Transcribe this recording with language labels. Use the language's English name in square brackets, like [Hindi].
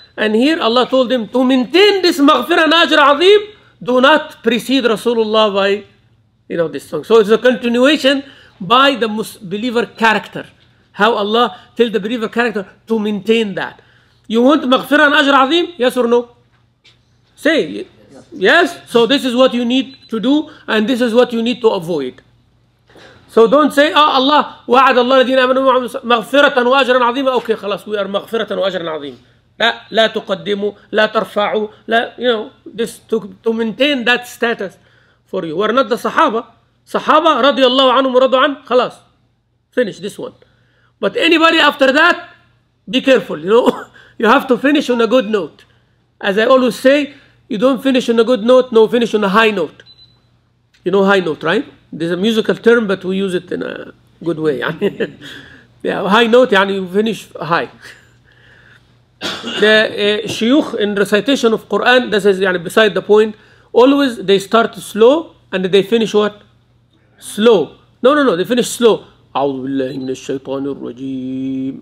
[English] And here Allah told them to maintain this maghfiratan wa ajran azim, do not precede Rasulullah by, you know, this song. So it's a continuation by the believer character. How Allah tell the believer character to maintain that. You want maghfiratan wa ajran azim? Yes or no? Say, yes, so this is what you need to do and this is what you need to avoid. So don't say, oh Allah, [Arabic] وعد الله الذين آمنوا مغفرة وأجرا عظيما. [English] Okay, خلاص, we are [Arabic] مغفرة وأجرا عظيما. لا تقدموا, لا ترفعوا, لا, [English] you know, this to maintain that status for you. We're not the Sahaba. [Arabic] Sahaba, رضي الله عنهم ورضوا عنه, خلاص, [English] finish this one. But anybody after that, be careful, you know. You have to finish on a good note. As I always say, you don't finish on a good note, no, finish on a high note. You know high note, right? This is a musical term, but we use it in a good way. Yeah, high note, يعني you finish high. The shuyukh in recitation of Quran, this is يعني beside the point, always they start slow and they finish what? Slow. No, they finish slow. [Arabic] أعوذ بالله من الشيطان الرجيم.